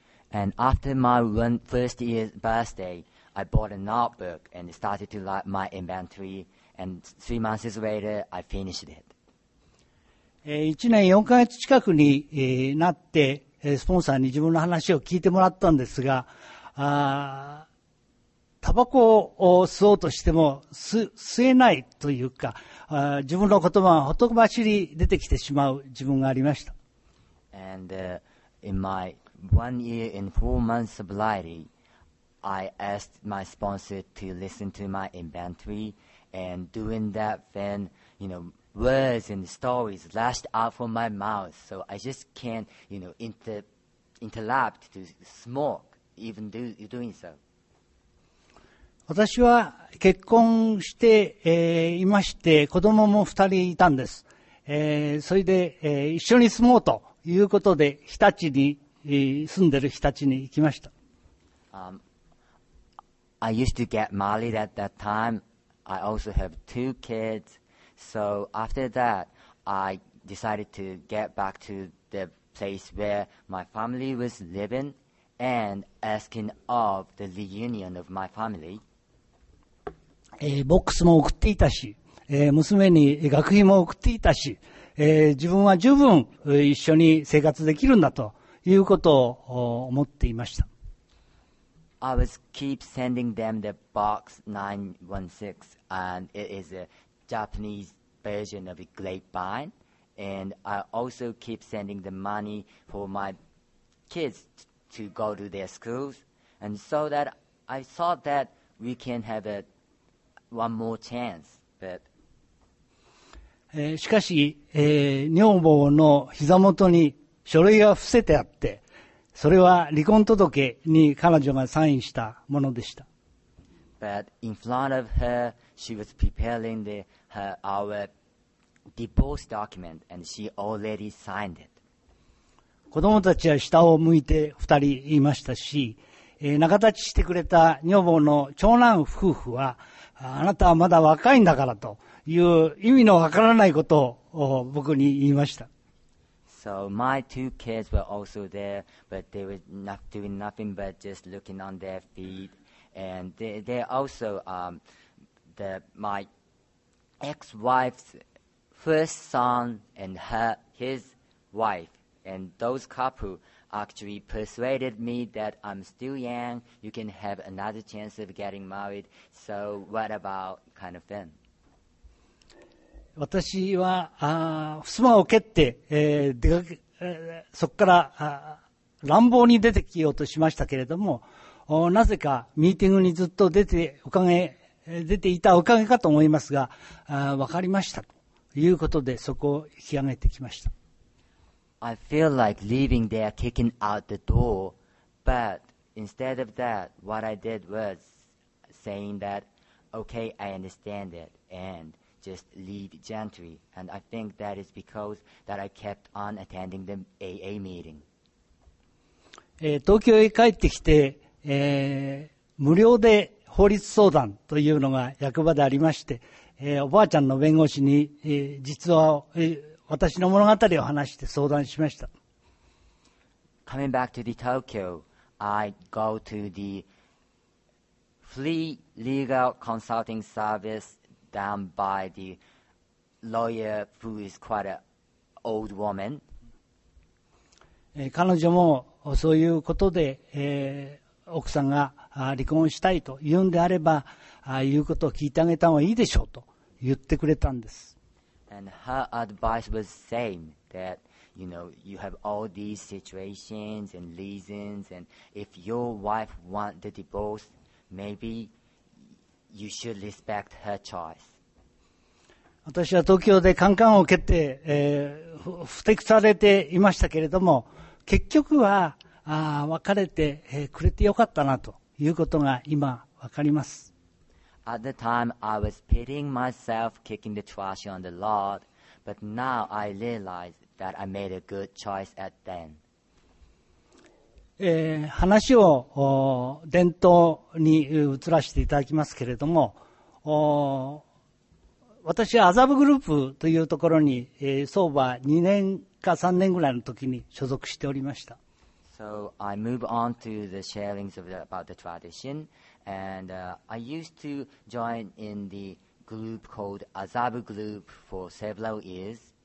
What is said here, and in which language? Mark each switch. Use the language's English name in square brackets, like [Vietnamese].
[English] And after my first year's birthday, I bought a notebook and started to write my inventory. And 3 months later, I finished it. [Japanese] 1年4ヶ月近くに、なって、スポンサーに自分の話を聞いてもらったんですが、タバコを吸おうとしても吸えないというか、自分の言葉がほとばしり出てきてしまう自分がありました。 [English] And, in my 1 year and 4 months sobriety, I asked my sponsor to listen to my inventory, and doing that then, words and stories lashed out from my mouth, so I just can't, interrupt to smoke, even doing so. [Japanese] 私は結婚して、いまして、子供も二人いたんです。それで、一緒に住もうということで、日立に、住んでる日立に行きました。 [English] I used to get married at that time. I also have 2 kids. So after that, I decided to get back to the place where my family was living and asking of the reunion of my family. [Japanese] ボックスも送っていたし、娘に学費も送っていたし、自分は十分一緒に生活できるんだということを思っていました。 [English] I was keep sending them the box 916 and it is a Japanese version of a grapevine and I also keep sending the money for my kids to go to their schools and so that I thought that we can have a one more chance but [Japanese] しかし、女房の膝元に書類が伏せてあってそれは離婚届に彼女がサインしたものでした。 [English] But in front of her, she was preparing the, her, our divorce document, and she already signed it. [Japanese] 子供たちは下を向いて二人いましたし、仲立ちしてくれた女房の長男夫婦は、あなたはまだ若いんだからという意味のわからないことを僕に言いました。 [English] So my two kids were also there, but they were not doing nothing but just looking on their feet. And they also, my ex-wife's first son and his wife. And those couple actually persuaded me that I'm still young, you can have another chance of getting married. So what about kind of them? [Japanese] 私は、襖を蹴って、そこから乱暴に出てきようとしましたけれども、なぜかミーティングにずっと出ていたおかげかと思いますが、わかりましたということでそこを引き上げてきました。 [English] I feel like leaving there kicking out the door, but instead of that, what I did was saying that, okay, I understand it, and just leave gently and I think that is because that I kept on attending the AA meeting. [Japanese] 東京へ帰ってきて、無料で法律相談というのが役場でありまして、おばあちゃんの弁護士に、実は、私の物語を話して相談しました。 [English] Coming back to the Tokyo, I go to the free legal consulting serviceDone by the lawyer who is quite an old woman. [Japanese] 彼女もそういうことで、奥さんが離婚したいと言うんであれば、いうことを聞いてあげた方がいいでしょうと言ってくれたんです。 [English] And her advice was the same that you know you have all these situations and reasons, and if your wife want the divorce, maybe. You should respect her choice. [Japanese] 私は東京でカンカンを蹴って、ふてくされていましたけれども結局は別れて、くれてよかったなということが今わかります。 [English] At the time, I was pitying myself, kicking the trash on the lot, but now I realize that I made a good choice at then. [Japanese] 話を伝統に移らせていただきますけれども、私はアザブグループというところに、相場2年か3年ぐらいの時に所属しておりました。 [English] So I move on to the sharings of the, about the tradition, and I used to join in the group called Azab Group for several years.